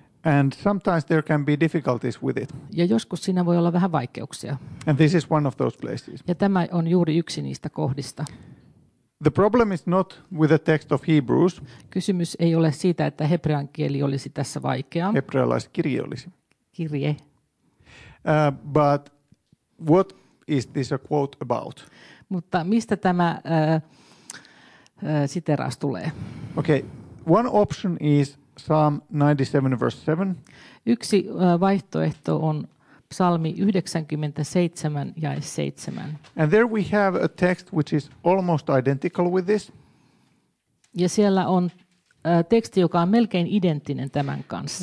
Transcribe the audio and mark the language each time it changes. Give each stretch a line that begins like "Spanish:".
English: And sometimes there can be difficulties with it.
Finnish: Ja joskus siinä voi olla vähän vaikeuksia.
English: And this is one of those places.
Finnish: Ja tämä on juuri yksi niistä kohdista.
English: The problem is not with the text of Hebrews.
Finnish: Kysymys ei ole siitä, että hebrean kieli olisi tässä vaikea. Hebrealaiskirje olisi. Kirje.
English: But what is this a quote about?
Finnish: Mutta mistä tämä siteraus tulee?
English: Okay, one option is Psalm 97 verse 7.
Finnish: Yksi vaihtoehto on psalmi 97 jae 7.
English: And there we have a text which is almost identical with this.
Finnish: Ja siellä on teksti, joka on melkein identtinen tämän kanssa.